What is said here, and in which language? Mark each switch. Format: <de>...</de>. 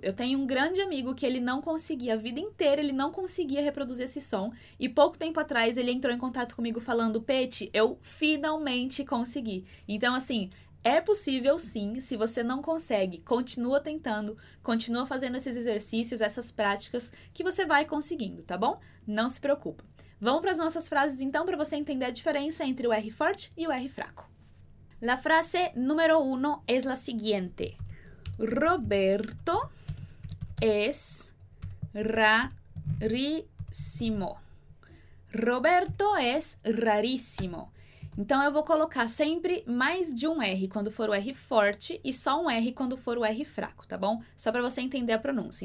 <pt>Eu tenho um grande amigo que ele não conseguia, a vida inteira ele não conseguia reproduzir esse som, e pouco tempo atrás ele entrou em contato comigo falando: Pete, eu finalmente consegui. Então, assim, é possível sim, se você não consegue, continua tentando, continua fazendo esses exercícios, essas práticas, que você vai conseguindo, tá bom? Não se preocupa. Vamos para as nossas frases então, para você entender a diferença entre o R forte e o R fraco.</pt> <es>La frase número uno es la siguiente: Roberto es rarísimo. Roberto es rarísimo.</es> <pt>Então eu vou colocar sempre mais de um R quando for o R forte e só um R quando for o R fraco, tá bom? Só para você entender a pronúncia.</pt>